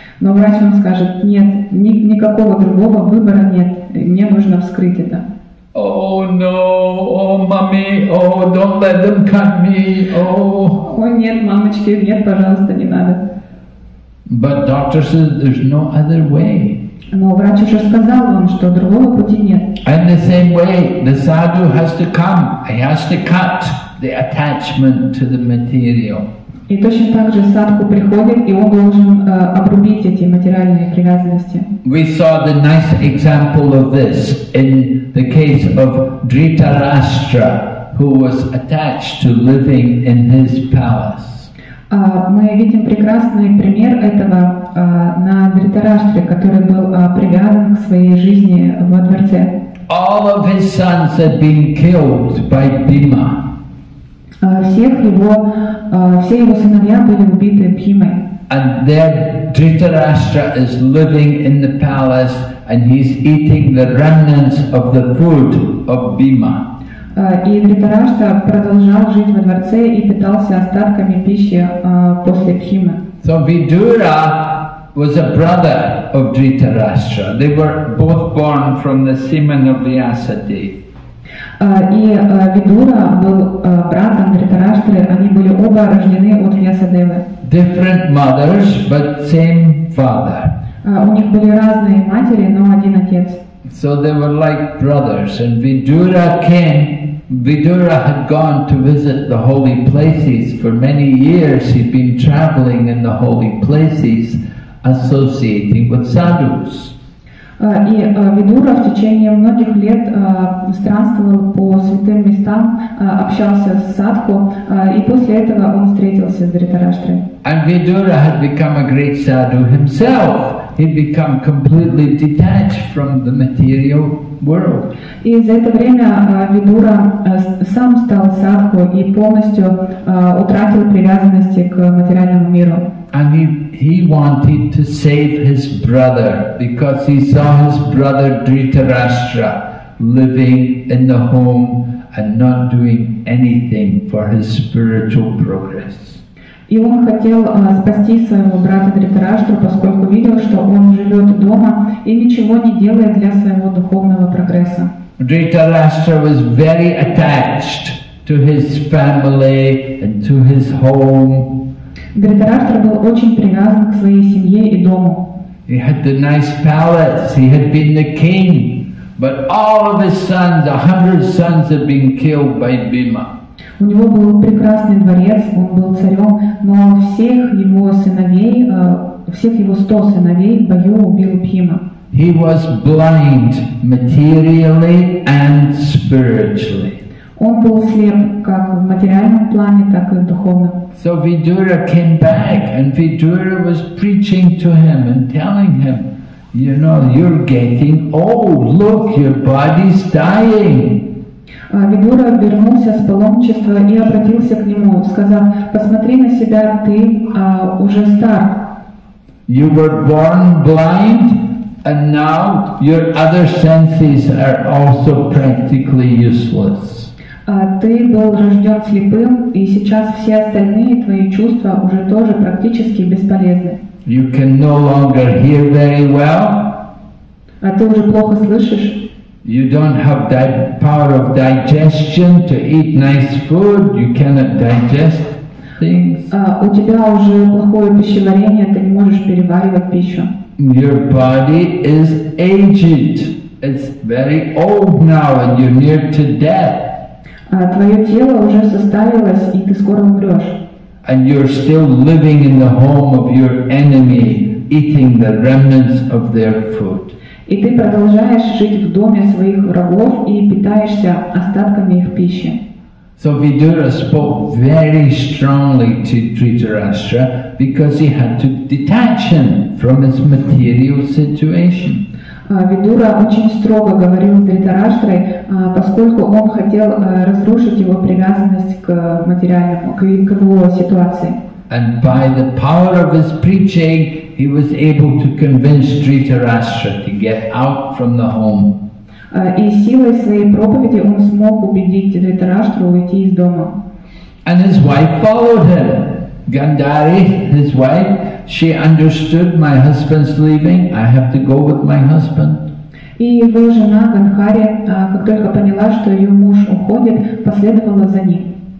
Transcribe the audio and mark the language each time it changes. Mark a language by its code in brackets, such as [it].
[ru] Но врач вам скажет, нет, никакого другого выбора нет, мне нужно вскрыть это. [en] Oh no, oh mommy, oh don't let them cut me, oh. [ru] Ой, нет, мамочки, нет, пожалуйста, не надо. [en] But doctor says there's no other way. [ru] Но врач уже сказал вам, что другого пути нет. [en] In the same way, the sadhu has to come, he has to cut the attachment to the material. [ru] И точно так же садху приходит, и он должен обрубить эти материальные привязанности. [en] We saw the nice example of this in the case of Dhritarashtra, who was attached to living in his palace. [ru] Мы видим прекрасный пример этого на Дхритараштре, который был привязан к своей жизни во дворце. [en] All of his sons had been killed by Bhima. [ru] Все его сыновья были убиты Бхимой. [en] And there Dhritarashtra is living in the palace and he's eating the remnants of the food of Bhima. [ru] И Дхритараштра продолжал жить во дворце и питался остатками пищи после Бхимы. [en] So Vidura was a brother of Dhritarashtra. They were both born from the semen of Vyasati. [ru] И Видура был братом Дхритараштры, они были оба рождены от Вьясадевы. [en] Different mothers, but same father. [ru] У них были разные матери, но один отец. [en] So they were like brothers, and Vidura came. Vidura had gone to visit the holy places. For many years he'd been traveling in the holy places, associating with sadhus. [ru] И Видура в течение многих лет странствовал по святым местам, общался с садху, и после этого он встретился с Дхритараштрой. [en] And Vidura had become a great sadhu himself. He'd become completely detached from the material world. [ru] И за это время Видура сам стал садху и полностью утратил привязанности к материальному миру. [en] And he wanted to save his brother because he saw his brother Dhritarashtra living in the home and not doing anything for his spiritual progress. [ru] И он хотел спасти своего брата Дхритараштру, поскольку видел, что он живет дома и ничего не делает для своего духовного прогресса. [en] Dhritarashtra was very attached to his family and to his home. [ru] Дхритараштра был очень привязан к своей семье и дому. [en] He had the nice palace, he had been the king, but all of his sons, 100 sons had been killed by Bhima. [ru] У него был прекрасный дворец, он был царем, но всех его 100 сыновей в бою убил Бхима. [en] He was blind materially and spiritually. [ru] Он был слеп как в материальном плане, так и в духовном. [en] So Vidura came back, and Vidura was preaching to him and telling him, you know, you're getting old, look, your body's dying. [ru] Vidura вернулся с паломничества и обратился к нему, сказав, посмотри на себя, ты уже стар. [en] You were born blind, and now your other senses are also practically useless. [ru] Ты был рожден слепым, и сейчас все остальные твои чувства уже тоже практически бесполезны. [en] You can no longer hear very well. [ru] А ты уже плохо слышишь. [en] You don't have that power of digestion to eat nice food. You cannot digest things. [ru] У тебя уже плохое пищеварение, ты не можешь переваривать пищу. [en] Your body is aged. It's very old now, and you're near to death. [ru] Твое тело уже состарилось, и ты скоро умрешь. [en] And you're still living in the home of your enemy, eating the remnants of their food. [ru] И ты продолжаешь жить в доме своих врагов и питаешься остатками их пищи. [en] So Vidura spoke very strongly to Dhritarashtra because he had to detach him from his material situation. [ru] Видура очень строго говорил с Дхритараштрой, поскольку он хотел разрушить его привязанность к материальному, к его ситуации. [en] And by the power of his preaching, he was able to convince Dhritarashtra to get out from the home. [ru] И силой своей проповеди он смог убедить Дхритараштру уйти из дома. [en] And his wife followed him. Gandhari, his wife, she understood my husband's leaving. I have to go with my husband. [ru] И его жена Гандхари, как только поняла, что ее муж уходит, последовала за ним.